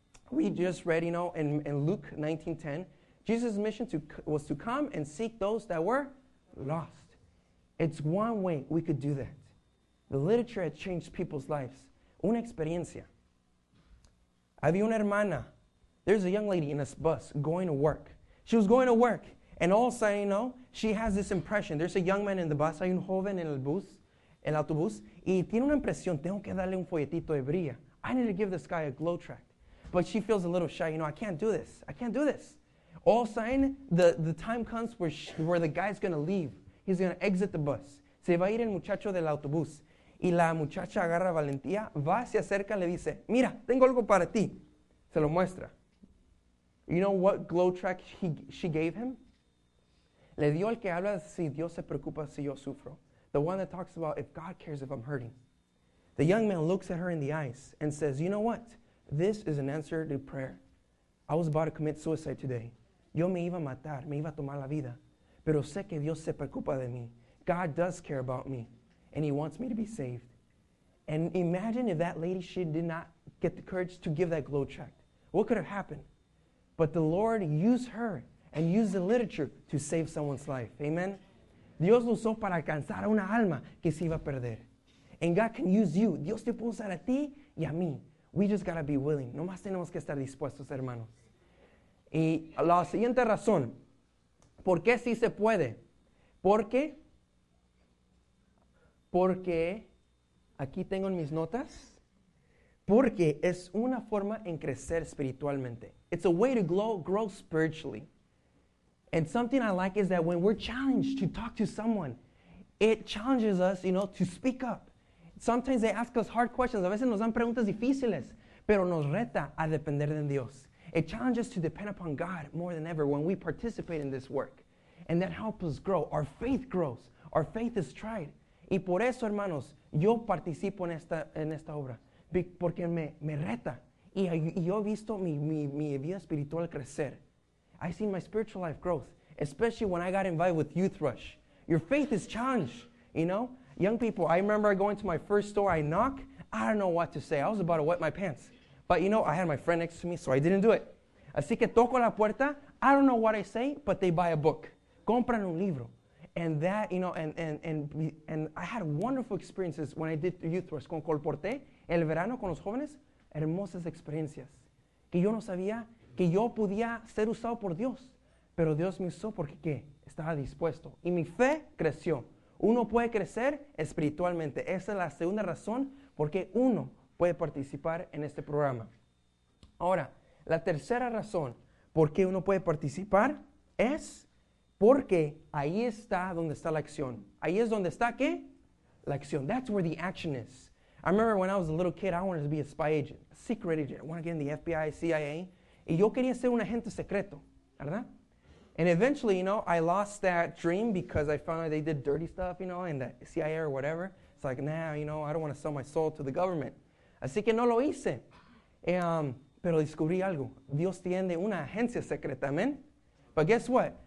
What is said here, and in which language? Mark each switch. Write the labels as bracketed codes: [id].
[en] We just read, you know, in Luke 19:10, Jesus' mission was to come and seek those that were lost. It's one way we could do that. The literature had changed people's lives. [es] Una experiencia. Había una hermana. [en] There's a young lady in this bus going to work. She was going to work. And all of a sudden, you know, she has this impression. There's a young man in the bus. [es] Hay un joven en el bus, el autobús. Y tiene una impresión. Tengo que darle un folletito de Brilla. [en] I need to give this guy a glow tract. But she feels a little shy. You know, I can't do this. I can't do this. All of a sudden, the time comes where the guy's going to leave. He's going to exit the bus. [es] Se va a ir el muchacho del autobús. Y la muchacha agarra valentía, va, se acerca, le dice, mira, tengo algo para ti. Se lo muestra. [en] You know what glow tract she gave him? [es] Le dio el que habla si Dios se preocupa si yo sufro. [en] The one that talks about if God cares if I'm hurting. The young man looks at her in the eyes and says, you know what? This is an answer to prayer. I was about to commit suicide today. [es] Yo me iba a matar, me iba a tomar la vida. Pero sé que Dios se preocupa de mí. [en] God does care about me. And he wants me to be saved. And imagine if that lady, she did not get the courage to give that glow tract. What could have happened? But the Lord used her and used the literature to save someone's life. Amen? [es] Dios lo usó para alcanzar a una alma que se iba a perder. [en] And God can use you. [es] Dios te puede usar a ti y a mí. [en] We just got to be willing. [es] Nomás tenemos que estar dispuestos, hermanos. Y la siguiente razón. ¿Por qué sí se puede? Porque... Porque, aquí tengo mis notas, porque es una forma en crecer espiritualmente. [en] It's a way to grow spiritually. And something I like is that when we're challenged to talk to someone, it challenges us, you know, to speak up. Sometimes they ask us hard questions. [es] A veces nos dan preguntas difíciles, pero nos reta a depender de Dios. [en] It challenges us to depend upon God more than ever when we participate in this work. And that helps us grow. Our faith grows. Our faith is tried. [es] Y por eso, hermanos, yo participo en esta obra. Porque me reta. Y yo he visto mi vida espiritual crecer. [en] I've seen my spiritual life growth. Especially when I got invited with Youth Rush. Your faith is challenged, you know? Young people, I remember going to my first store. I knock. I don't know what to say. I was about to wet my pants. But, you know, I had my friend next to me, so I didn't do it. [es] Así que toco la puerta. [en] I don't know what I say, but they buy a book. [es] Compran un libro. [en] And that, you know, and I had wonderful experiences when I did Youth Rush. [es] Con Colporté, el verano con los jóvenes, hermosas experiencias. Que yo no sabía que yo podía ser usado por Dios. Pero Dios me usó porque, ¿qué? Estaba dispuesto. Y mi fe creció. Uno puede crecer espiritualmente. Esa es la segunda razón por qué uno puede participar en este programa. Ahora, la tercera razón por qué uno puede participar es... Porque ahí está donde está la acción. Ahí es donde está, ¿qué? La acción. [en] That's where the action is. I remember when I was a little kid, I wanted to be a spy agent, a secret agent. I wanted to get in the FBI, CIA. [es] Y yo quería ser un agente secreto, ¿verdad? [en] And eventually, you know, I lost that dream because I found out they did dirty stuff, you know, in the CIA or whatever. It's like, nah, you know, I don't want to sell my soul to the government. [es] Así que no lo hice. Pero descubrí algo. Dios tiene una agencia secreta, ¿amen? [en] But guess what?